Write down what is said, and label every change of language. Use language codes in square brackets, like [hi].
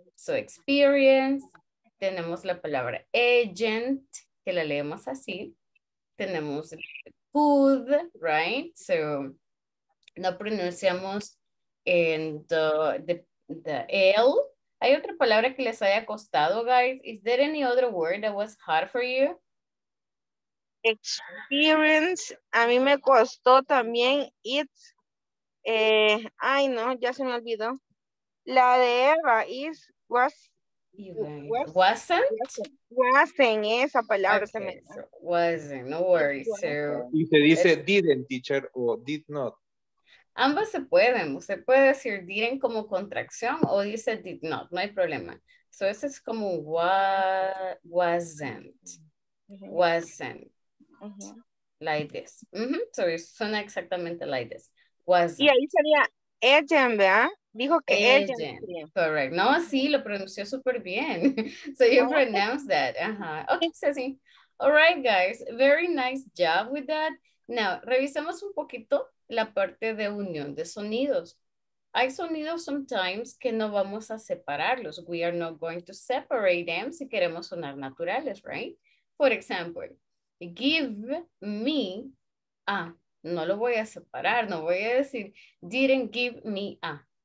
[es] So experience, tenemos la palabra agent, que la leemos así. Tenemos could, right? So no pronunciamos en the L. ¿Hay otra palabra que les haya costado, guys? [en] Is there any other word that was hard for you? [es] Experience. A mí me costó también. Ya se me olvidó. La de Eva is, was. [en] Even. Wasn't [es] esa palabra. Okay, se me... [en] so wasn't, no worries. So... [es] Y se dice didn't, teacher, o did not. Ambas se pueden, usted puede decir didn't como contracción o dice did not, no hay problema. So ese es como wasn't, [en] like this. [es] So suena exactamente [en] like this, [es] wasn't. Y ahí sería agent, ¿verdad? Dijo que agent. Correct, no, sí, lo pronunció súper bien. [en] So you pronounced that, [es] Okay, so sí. [en] All right, guys, very nice job with that. [es] Now, revisemos un poquito la parte de unión de sonidos. Hay sonidos [en] sometimes [es] que no vamos a separarlos. [en] We are not going to separate them [es] si queremos sonar naturales, [en] right? For example, [es] give me, no lo voy a separar, no voy a decir didn't give me a.